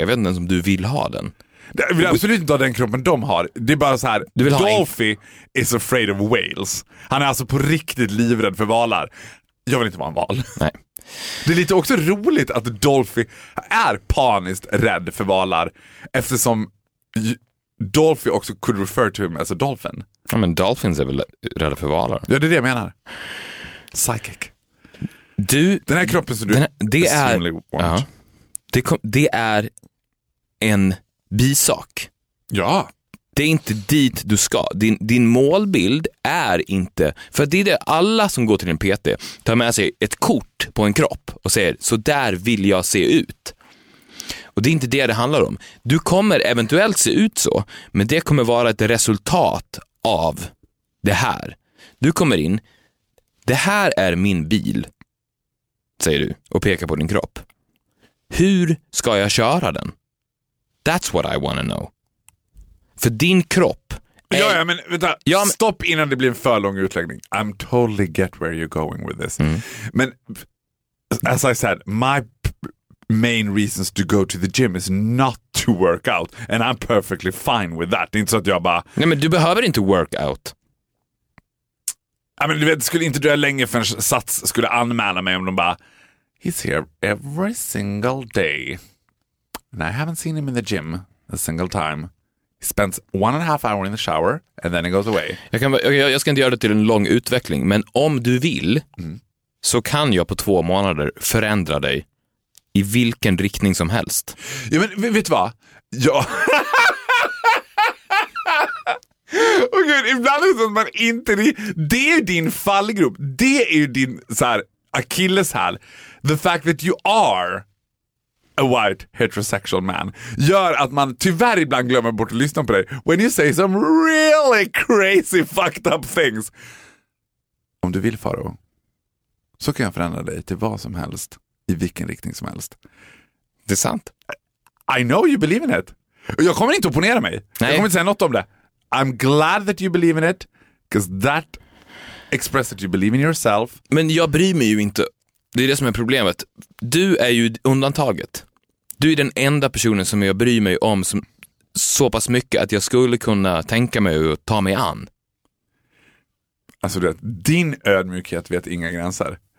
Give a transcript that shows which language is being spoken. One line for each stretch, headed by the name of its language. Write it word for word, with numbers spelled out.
Swedish: Jag vet inte ens om du vill ha den. Jag vill absolut inte ha den kroppen de har. Det är bara så här, du vill
English: Dolphy en... is afraid of whales.
Swedish: Han är alltså på riktigt livrädd för valar. Jag vill inte vara en val. Nej. Det är lite också roligt att Dolphy är paniskt rädd för valar. Eftersom
English: Dolphy
Swedish: också
English: could refer to him as a dolphin.
Swedish: Ja, men dolphins är väl rädda för valar. Ja, det är det jag menar. Psychic. Du, den här kroppen som du här, det, är, ja, det, kom, det är en bisak. Ja. Det är inte dit du ska. Din, din målbild är inte... För det är det alla som går till en P T tar med sig ett kort på en kropp och säger, så där vill jag se ut. Och det är inte det det handlar om. Du kommer eventuellt se ut så, men det kommer vara ett resultat av det här. Du kommer in, det här är min bil, säger du, och pekar på din kropp. Hur ska jag köra den?
English: That's what I wanna know.
Swedish: För din kropp är... Ja, ja, men vänta. Ja, men... Stopp innan det blir en för lång utläggning.
English: I'm totally get where you're going with this. Mm.
Swedish: Men
English: as I said, my main reasons to go to the gym is not to work out. And I'm perfectly fine with that.
Swedish: Det är inte så att jag bara... Nej, men du behöver inte
English: work out.
Swedish: Ja, men du vet, det skulle inte dröja länge förrän Sats skulle anmäla mig om de bara...
English: He's here every single day. And I haven't seen him in the gym a single time. He spends one and a half hour in the shower and then he goes away.
Swedish: Jag, kan, jag, jag ska inte göra det till en lång utveckling, men om du vill mm. så kan jag på två månader förändra dig i vilken riktning som helst. Ja, men vet du vad? Ja... Och gud, ibland är det så att man inte... Det är ju din fallgrop. Det är ju din så här, akilleshäl.
English: The fact that you are a white heterosexual man
Swedish: gör att man tyvärr ibland glömmer bort att lyssna på dig.
English: When you say some really crazy fucked up things.
Swedish: Om du vill, Faro, så kan jag förändra dig till vad som helst, i vilken riktning som helst. Det är sant.
English: I know you believe in it.
Swedish: Jag kommer inte opponera mig. Nej. Jag kommer inte säga något om det.
English: I'm glad that you believe in it, because that expresses that you believe in yourself.
Swedish: Men jag bryr mig ju inte. Det är det som är problemet. Du är ju undantaget. Du är den enda personen som jag bryr mig om som, så pass mycket att jag skulle kunna tänka mig att ta mig an. Alltså det, din ödmjukhet vet inga gränser.